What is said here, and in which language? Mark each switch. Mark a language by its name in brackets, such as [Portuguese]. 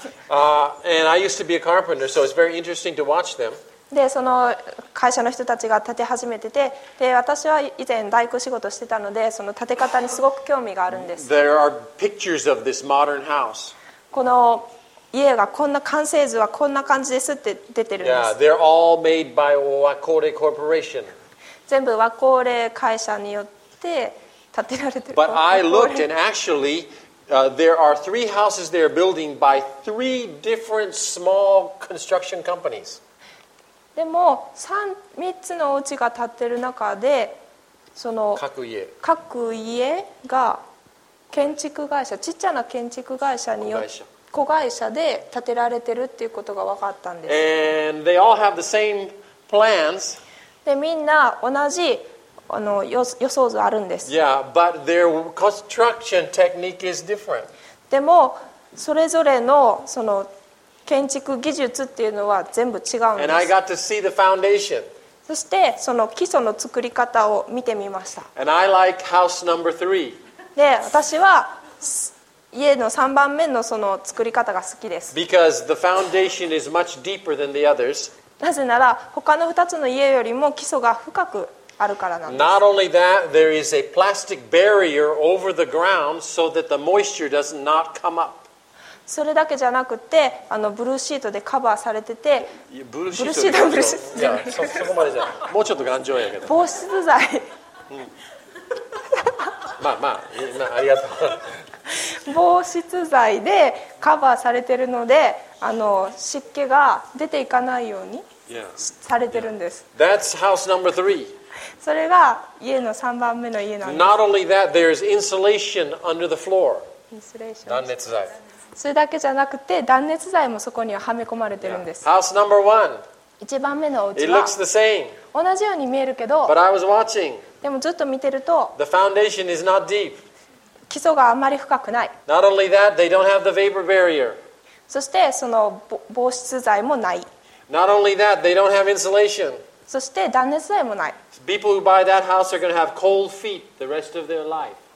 [English] And I used to be a carpenter, so it's very interesting to watch them. [Japanese] で、その会社の人たちが建て始めてて、で、私は以前大工仕事してたので、その建て方にすごく興味があるんです。 [English] There are pictures of this modern house. [Japanese] この家がこんな完成図はこんな感じですって出てるんです。 [English] Yeah, they're all made by Wakore Corporation. [Japanese] 全部ワコーレ会社によって建てられてる。 [English] But I looked and actually, there are three houses they're building by three different small construction companies. [Japanese] でも 3つのお家が建ってる中で、その各家が建築会社、ちっちゃな建築会社によって子会社で建てられてるっていうことが分かったんです。 [English] And they all have the same plans. [Japanese] でみんな同じあの予想図あるんです。 [English] Yeah, but their construction technique is different. [Japanese] でもそれぞれのその建築技術っていうのは全部違うんです。 [English] And I got to see the foundation. [Japanese] そしてその基礎の作り方を見てみました。 [English] And I like house number three. [Japanese] で私は家の3番目 の, その作り方が好きです。 [English] Because the foundation is much deeper than the others. [Japanese] なぜなら他の2つの家よりも基礎が深くあるからなんです。 [English] Not only that, there is a plastic barrier over the ground so that the moisture does not come up. [Japanese] それだけじゃなくて、あのブルーシートでカバーされてて、ブルーシートじゃない、そこまでじゃない、もうちょっと頑丈やけど、防湿剤、うん、まあまあ、まあ、ありがとう防湿剤でカバーされてるので、あの湿気が出ていかないようにされてるんです。 [English] yeah. Yeah. That's house number three. [Japanese] それが家の3番目の家なんです。 [English] Not only that, there's insulation under the floor. Insulation. [Japanese] 断熱剤。それだけじゃなくて断熱剤もそこにははめ込まれてるんです。 [English] yeah. House number one. [Japanese] 1番目のお家は [English] It looks the same. [Japanese] 同じように見えるけど、 [English] But I was watching. [Japanese] でもずっと見てると [English] The foundation is not deep. [Japanese] 基礎があまり深くない。 [English] Not only that, they don't have the vapor barrier. [Japanese] そしてその防湿剤もない。 [English] Not only that, they don't have insulation. [Japanese] そして断熱剤もない。 [English] People who buy that house are going to have cold feet the rest of their life.